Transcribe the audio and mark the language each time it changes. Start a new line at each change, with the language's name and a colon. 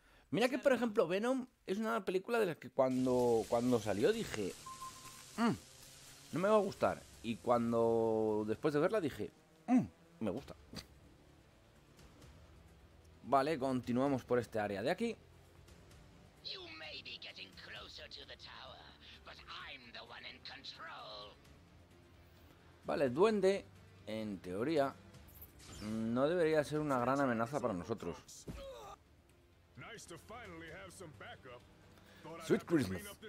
Spanish: Mira que, por ejemplo, Venom es una película de las que cuando salió dije... no me va a gustar. Y cuando después de verla dije, me gusta. Vale, continuamos por este área de aquí.
English: You may be getting closer to the tower, but I'm the one in control.
Spanish: Vale, duende, en teoría, no debería ser una gran amenaza para nosotros.
English: Nice to finally have some backup. Sweet Christmas.